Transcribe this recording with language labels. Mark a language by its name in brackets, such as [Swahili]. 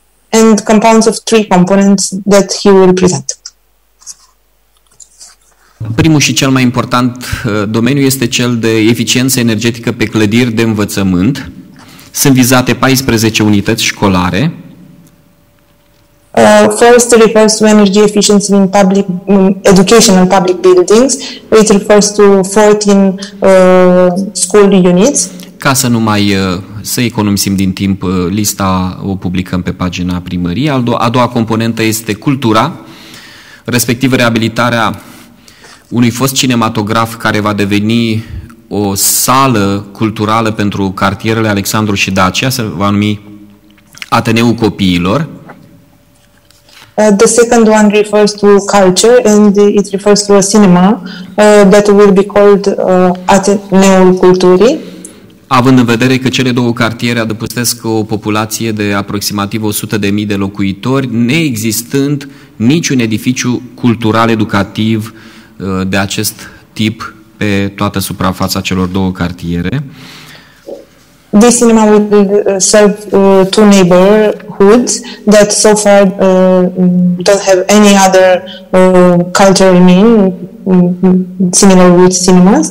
[English] And compounds of three components that he will present. [Romanian] Primul și cel mai important domeniu este cel de eficiență energetică pe clădiri de învățământ. Sunt vizate 14 unități școlare. [English] First refers to energy efficiency in public education and public buildings. It refers to 14 school units. [Romanian] Ca să nu mai să economisim din timp, lista o publicăm pe pagina primăriei. A doua componentă este cultura, respectiv reabilitarea unui fost cinematograf care va deveni o sală culturală pentru cartierele Alexandru și Dacia, se va numi Ateneul Copiilor. [English] The second one refers to culture and it refers to a cinema that will be called Ateneul Culturii. [Romanian] Având în vedere că cele două cartiere adăpostesc o populație de aproximativ 100.000 de locuitori, neexistând niciun edificiu cultural educativ de acest tip pe toată suprafața celor două cartiere. [English] This cinema will serve two neighborhoods that so far don't have any other cultural name similar with cinemas.